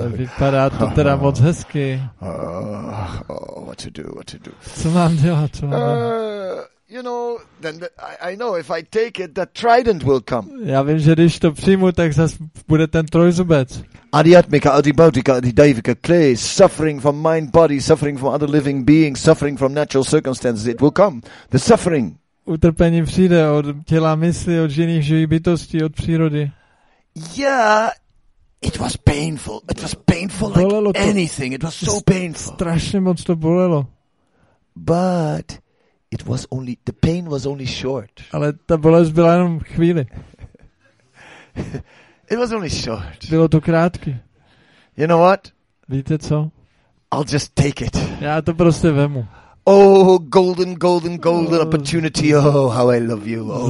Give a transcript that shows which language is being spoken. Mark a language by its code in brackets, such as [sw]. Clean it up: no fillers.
[cs] Ale vypadá to teda moc hezky. [en] Oh, what to do. [cs] Co mám dělat? [en] You know, then I know if I take it, the trident will come. [cs] Já vím, že když to přijmu, tak zas bude ten trojzubec. [en] Adiatmika, adibautika, adidaivika, clay, suffering from mind, body, suffering from other living beings, suffering from natural circumstances, it will come. The suffering. [cs] Utrpení přijde od těla, mysli, od jiných živých bytostí, od přírody. [en] Yeah, it was painful. It was painful [cs] bolelo [en] like anything. It was so painful. [cs] Strašně moc to bolelo. [en] But it was only the pain was only short. [cs] Ale ta bolest byla jenom chvíli. [en] It was only short. [cs] Bylo to krátké. [en] You know what? [cs] Víte co? [en] I'll just take it. [cs] Já to prostě vemu. [en] Oh, golden opportunity. Oh, how I love you. Oh,